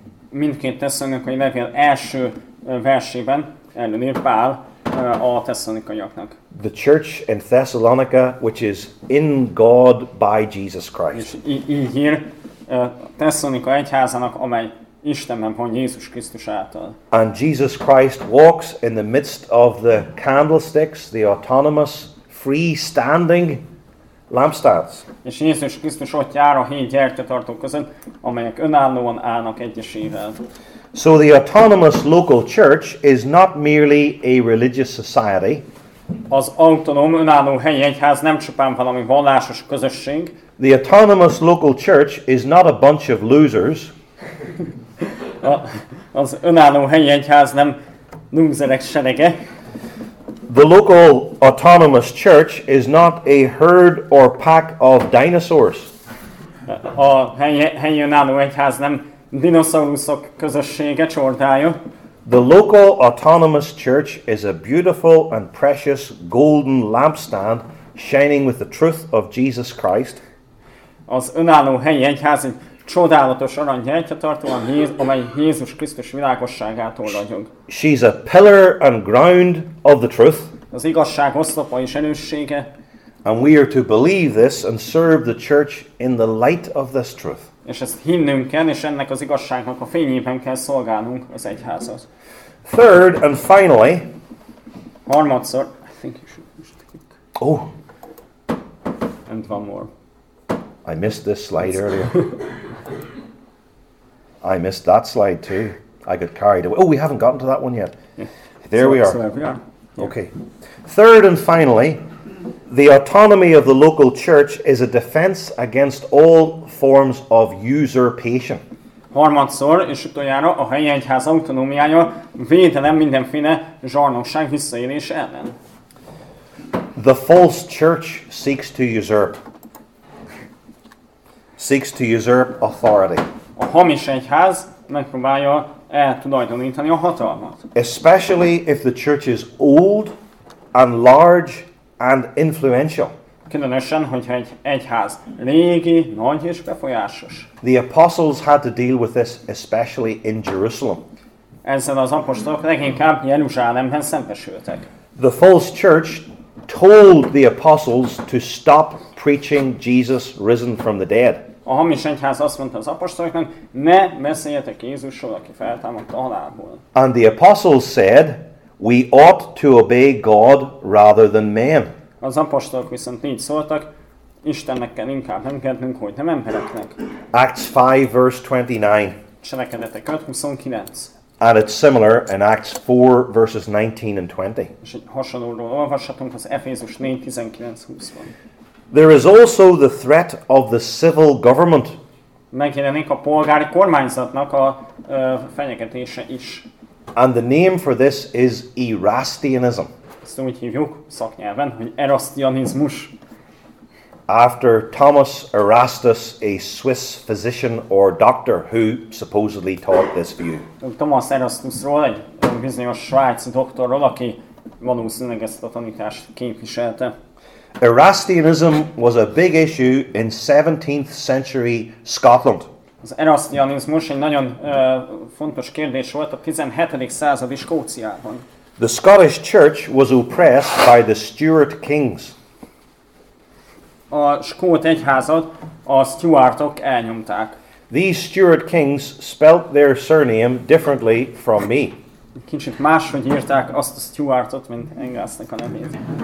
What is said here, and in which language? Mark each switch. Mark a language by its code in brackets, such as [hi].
[hu] Mindkét Thessalonikai levél első versében előír Pál a Thessalonikaiaknak. [en] The church in Thessalonica, which is in God by Jesus Christ. [hu] És így ír Thessalonika egyházának, amely Istenben van Jézus Krisztus által. [en] And Jesus Christ walks in the midst of the candlesticks, the autonomous, freestanding lampstands. [hu] És Jézus Krisztus ott jár a hét gyertyatartó között, amelyek önállóan állnak egyesével. [en] So the autonomous local church is not merely a religious society. [hu] Az autonóm önálló helyi egyház nem csupán valami vallásos közösség. [en] The autonomous local church is not a bunch of losers. [hu] Az önálló helyi egyház nem lúzerek serege. [en] The local autonomous church is not a herd or pack of dinosaurs. [hu] A helyi önálló egyház nem dinoszauruszok közössége, csordája. [en] The local autonomous church is a beautiful and precious golden lampstand shining with the truth of Jesus Christ. [hu] Az önálló helyi egyház egy csodálatos arany gyertyatartó, amely Jézus Krisztus világosságától ragyog. [en] She's a pillar and ground of the truth. [hu] Az igazság oszlopa és erőssége. [en] And we are to believe this and serve the church in the light of this truth. [hu] És ezt hinnünk kell, és ennek az igazságnak a fényében kell szolgálnunk az egyházat. [en] Third and finally. [hu] Harmadszor. [en] I think you should just click. Oh. And one more. I missed this slide earlier. I missed that slide too. I got carried away. Oh, we haven't gotten to that one yet. Yeah. There so, we are. So there we are. Okay. Third and finally, the autonomy of the local church is a defense against all forms of usurpation. [hu] harmadszor és utoljára a helyi egyház autonómiája védelem mindenféle zsarnokság visszaélés ellen. [en] The false church seeks to usurp. Seeks to usurp authority. [hu] A hamis egyház megpróbálja eltulajdonítani a hatalmat. [en] Especially if the church is old and large and influential. [hu] Különösen, hogyha egy egyház régi, nagy és befolyásos. [en] The apostles had to deal with this especially in Jerusalem. [hu] Ezzel az apostolok leginkább Jeruzsálemben szembesültek. [en] The false church told the apostles to stop preaching Jesus risen from the dead. [hu] A hamis egyház azt mondta az apostoloknak, ne beszéljetek Jézusról, aki feltámadt a halálból. [en] And the apostles said, we ought to obey God rather than man. [hu] Az apostolok viszont így szóltak, Istennek kell inkább engednünk, hogy nem embereknek. [en] Acts 5 verse 29. [hu] Cselekedetek 5:29. [en] And it's similar in Acts 4 verses 19 and 20. [hu] És egy hasonlóról olvashatunk az Efézus 4:19-20-ban. [en] There is also the threat of the civil government. [hu] Megjelenik a polgári kormányzatnak a fenyegetése is. [en] And the name for this is Erastianism. [hu] Ezt úgy hívjuk szaknyelven, hogy Erastianizmus. [en] After Thomas Erastus, a Swiss physician or doctor who supposedly taught this view. [hu] Thomas Erastusról, egy bizonyos svájci doktorról, aki valószínűleg ezt a tanítást képviselte. [en] Erastianism was a big issue in 17th century Scotland. [hu] Az Erastianizmus egy nagyon fontos kérdés volt a 17. századi Skóciában. [en] The Scottish Church was oppressed by the Stuart kings. [hu] A skót egyházat a Stuartok elnyomták. [en] These Stuart kings spelt their surname differently from me. [hu] Kicsit máshogy írták azt a Stuartot, mint Engelsnek a nevét.